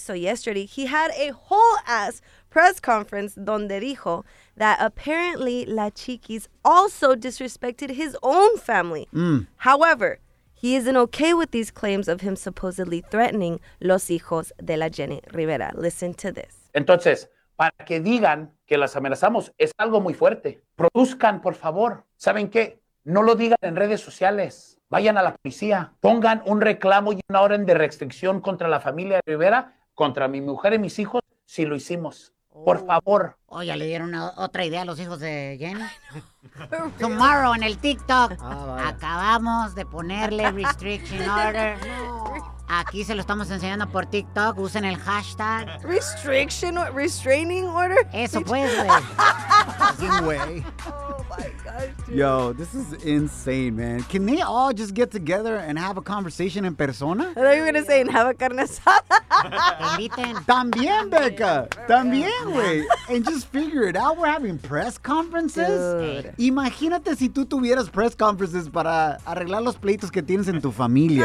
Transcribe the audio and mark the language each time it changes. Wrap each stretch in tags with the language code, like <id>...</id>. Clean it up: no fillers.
<en>So yesterday, he had a whole-ass press conference</en> <es>donde dijo</es> <en>that apparently La Chiquis also disrespected his own family. Mm. However, he isn't okay with these claims of him supposedly threatening</en> <es>los hijos de la Jenny Rivera.</es> <en>Listen to this.</en> <es>Entonces, para que digan que las amenazamos, es algo muy fuerte. Produzcan, por favor. ¿Saben qué? No lo digan en redes sociales. Vayan a la policía, pongan un reclamo y una orden de restricción contra la familia Rivera, contra mi mujer y mis hijos, si lo hicimos. Por favor. Oh, ya le dieron otra idea a los hijos de Jenny.</es> <en>Tomorrow</en> <es>en el TikTok. Oh, acabamos de ponerle</es> <en>restriction order.</en> <es>Aquí se lo estamos enseñando por TikTok. Usen el hashtag.</es> <en>Restriction, restraining order.</en> <es>Eso pues, güey.</es> <en>Fucking way. Oh my gosh, dude. Yo, this is insane, man. Can they all just get together and have a conversation in persona? I thought you were going to say and have a carne asada.</en> <es>Inviten. También, Becca. También, güey.</es> <en>And just figure it out. We're having press conferences. Dude.</en> <es>Imagínate si tú tuvieras press conferences para arreglar los pleitos que tienes en tu familia.</es>